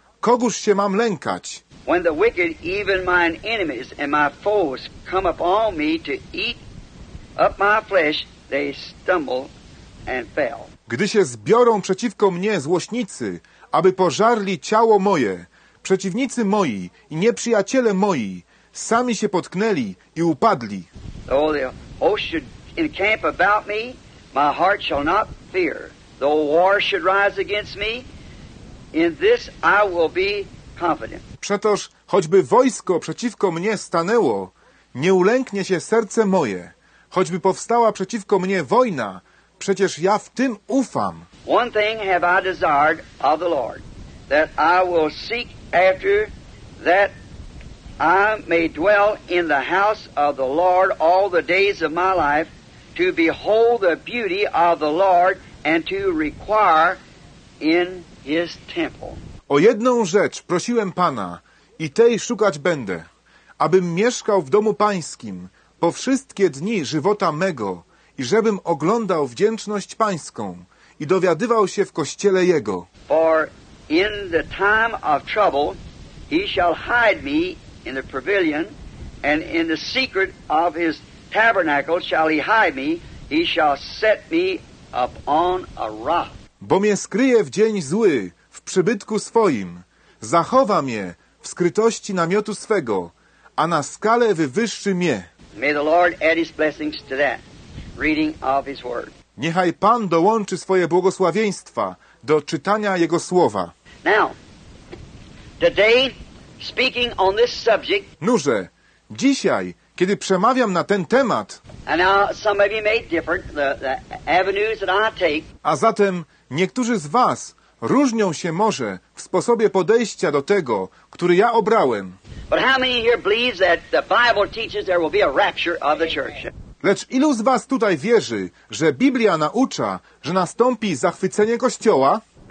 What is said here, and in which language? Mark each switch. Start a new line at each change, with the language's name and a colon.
Polish: Kogóż się mam lękać?
English: When the wicked, even mine enemies and my foes, come upon me to eat up my flesh, they stumble and fell.
Polish: Gdy się zbiorą przeciwko mnie złośnicy, aby pożarli ciało moje, przeciwnicy moi i nieprzyjaciele moi, sami się potknęli i upadli.
English: Though the host should encamp about me, my heart shall not fear. Though war should rise against me, in this I will be confident.
Polish: Przetoż, choćby wojsko przeciwko mnie stanęło, nie ulęknie się serce moje. Choćby powstała przeciwko mnie wojna, przecież ja w tym ufam.
English: One thing have I desired of the Lord, that I will seek after, that I may dwell in the house of the Lord all the days of my life, to behold the beauty of the Lord and to require in his temple.
Polish: O jedną rzecz prosiłem Pana i tej szukać będę, abym mieszkał w domu Pańskim po wszystkie dni żywota mego i żebym oglądał wdzięczność Pańską i dowiadywał się w Kościele Jego.
English: For in the time of trouble he shall hide me in the pavilion and in the secret of his tabernacle shall he hide me, he shall set me up on a rock.
Polish: Bo mnie skryje w dzień zły, w przybytku swoim, zachowa mnie w skrytości namiotu swego, a na skalę wywyższy mnie.
English: May the Lord add his blessings to that, reading of his word.
Polish: Niechaj Pan dołączy swoje błogosławieństwa do czytania Jego słowa.
English: Now, today, speaking on this subject,
Polish: noże, dzisiaj, kiedy przemawiam na ten temat.
English: And now some of you may differ the avenues that I take.
Polish: A zatem niektórzy z was różnią się może w sposobie podejścia do tego, który ja obrałem.
English: But how many here believes that the Bible teaches there will be a rapture of the church?
Polish: Lecz ilu z was tutaj wierzy, że Biblia naucza, że nastąpi zachwycenie Kościoła?